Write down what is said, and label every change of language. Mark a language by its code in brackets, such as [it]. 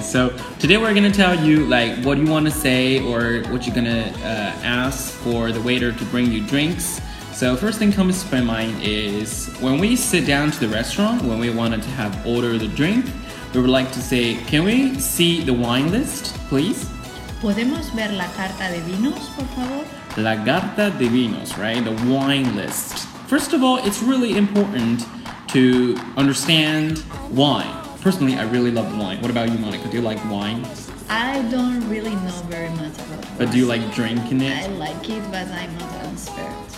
[en] So today we're gonna tell you, like, what you wanna say or what you're gonna ask for the waiter to bring you drinks. So first thing comes to my mind is when we sit down to the restaurant, when we wanted to have order the drink, we would like to say, can we see the wine list, please? [es] ¿Podemos ver la carta de vinos, por favor? La carta de vinos, [en] right? The wine list. First of all, it's really important to understand wine. Personally, I really love wine. What about you, Monica? Do you like wine? I don't really know very much about wine. But do you like drinking it? I like it, but I'm not an expert.